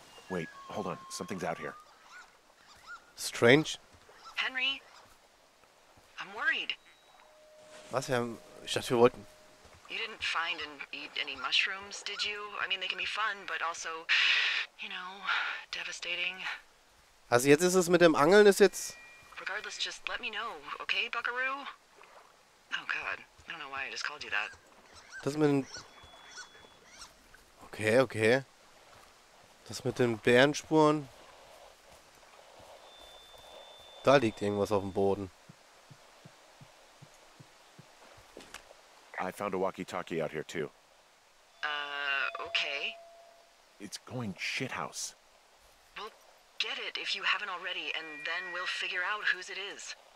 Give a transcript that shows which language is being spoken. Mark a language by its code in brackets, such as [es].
[en] Wait, hold on. Something's out here. Strange. Henry, I'm worried. [de] Was? Ich dachte, wir wollten... [en] You didn't find and eat any mushrooms, did you? I mean, they can be fun, but also, you know, devastating. [de] Also jetzt ist es mit dem Angeln, ist jetzt... [en] Regardless, just let me know, okay, Buckaroo? Oh God, I don't know why I just called you that. [de] Das mit dem... Okay. Das mit den Bärenspuren... Da liegt irgendwas auf dem Boden. [en] I found a walkie-talkie out here, too. Okay. It's going shithouse. Well, get it if you haven't already, and then we'll figure out whose it is.